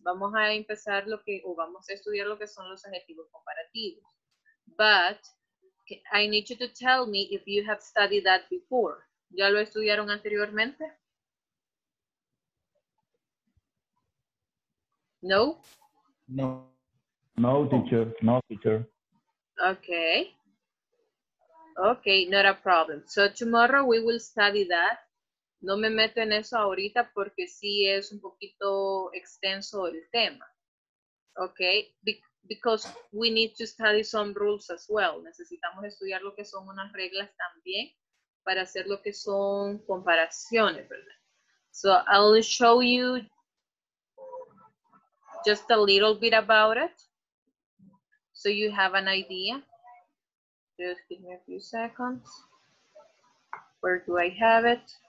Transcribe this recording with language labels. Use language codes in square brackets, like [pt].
[es] Vamos a empezar lo que, o vamos a estudiar lo que son los adjetivos comparativos. [en] But I need you to tell me if you have studied that before. [es] ¿Ya lo estudiaron anteriormente? No? [en] No. No, teacher. No, teacher. Okay. Okay, not a problem. So tomorrow we will study that. [es] No me meto en eso ahorita porque sí es un poquito extenso el tema. [en] Okay? Because we need to study some rules as well. [es] Necesitamos estudiar lo que son unas reglas también para hacer lo que son comparaciones, ¿verdad? [en] So I'll show you just a little bit about it, so you have an idea. Just give me a few seconds. Where do I have it?